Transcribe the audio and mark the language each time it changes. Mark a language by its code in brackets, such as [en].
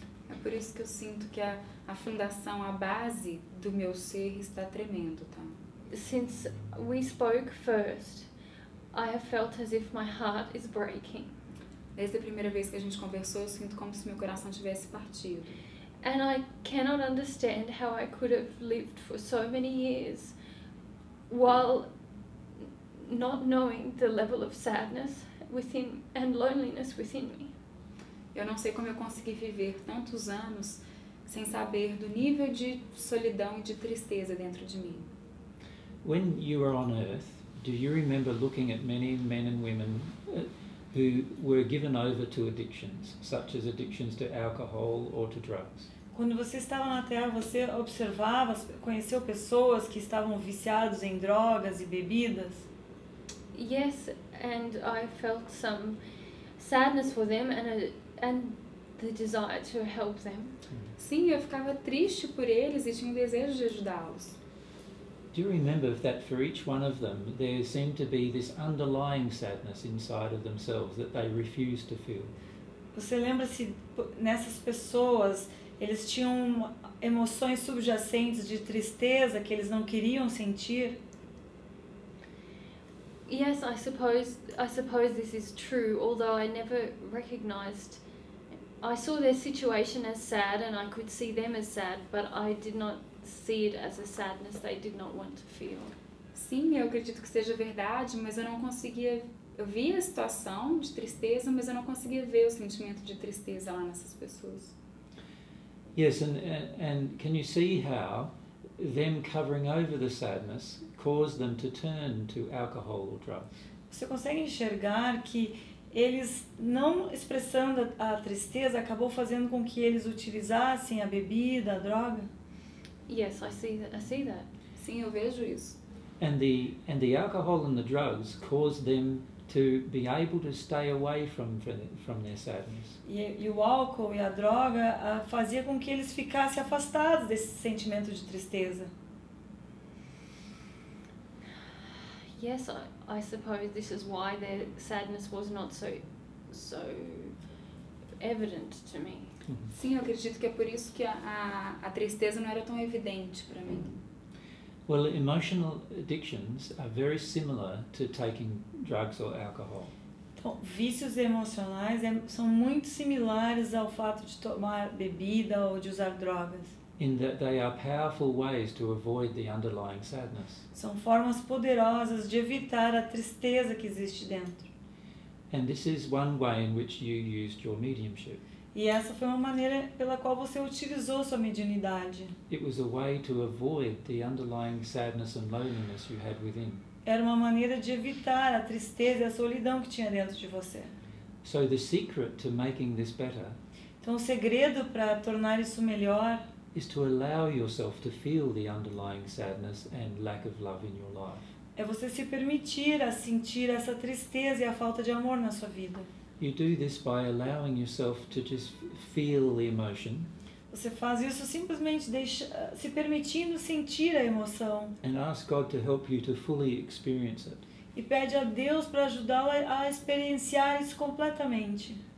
[pt] É por isso que eu sinto que a fundação, a base do meu ser está tremendo, tá? [en] Since we spoke first, I have felt as if my heart is breaking. [pt] Desde a primeira vez que a gente conversou, eu sinto como se meu coração tivesse partido. [en] And I cannot understand how I could have lived for so many years while not knowing the level of sadness within and loneliness within me. [pt] Eu não sei como eu consegui viver tantos anos sem saber do nível de solidão e de tristeza dentro de mim. [en] When you were on earth, do you remember looking at many men and women who were given over to addictions, such as addictions to alcohol or to drugs? [pt] Quando você estava na Terra, você observava, conheceu pessoas que estavam viciados em drogas e bebidas? [en] Yes, and I felt some sadness for them and the desire to help them. [pt] Sim, eu ficava triste por eles e tinha um desejo de ajudá-los. [en] Do you remember that for each one of them there seemed to be this underlying sadness inside of themselves that they refused to feel? [pt] Você lembra se nessas pessoas eles tinham emoções subjacentes de tristeza que eles não queriam sentir? [en] Yes, I suppose this is true, although I never recognized. I saw their situation as sad and I could see them as sad, but I did not see it as a sadness they did not want to feel. [pt] Sim, eu acredito que seja verdade, mas eu não conseguia. Eu via a situação de tristeza, mas eu não conseguia ver o sentimento de tristeza lá nessas pessoas. [en] Yes, and can you see how them covering over the sadness caused them to turn to alcohol or drugs? [pt] Você consegue enxergar que eles não expressando a tristeza acabou fazendo com que eles utilizassem a bebida, a droga? [en] Yes, I see that. [pt] Sim, eu vejo isso. [en] And the alcohol and the drugs caused them to be able to stay away from their sadness. [pt] E o álcool e a droga fazia com que eles ficassem afastados desse sentimento de tristeza. [en] Yes, I suppose this is why their sadness was not so evident to me. Uhum. [pt] Sim, eu acredito que é por isso que a tristeza não era tão evidente para mim. [en] Well, emotional addictions are very similar to taking drugs or alcohol. [pt] Então, vícios emocionais são muito similares ao fato de tomar bebida ou de usar drogas. [en] In that they are powerful ways to avoid the underlying sadness. [pt] São formas poderosas de evitar a tristeza que existe dentro. [en] And this is one way in which you used your mediumship. [pt] E essa foi uma maneira pela qual você utilizou sua mediunidade. [en] It was a way to avoid the underlying sadness and loneliness you had within. [pt] Era uma maneira de evitar a tristeza e a solidão que tinha dentro de você. [en] So the secret to making this better. [pt] Então o segredo para tornar isso melhor [en] is to allow yourself to feel the underlying sadness and lack of love in your life. [pt] É você se permitir a sentir essa tristeza e a falta de amor na sua vida. [en] You do this by allowing yourself to just feel the emotion. [pt] Você faz isso simplesmente se permitindo sentir a emoção. [en] And ask God to help you to fully experience it. [pt] E pede a Deus para ajudá-la a experienciar isso completamente.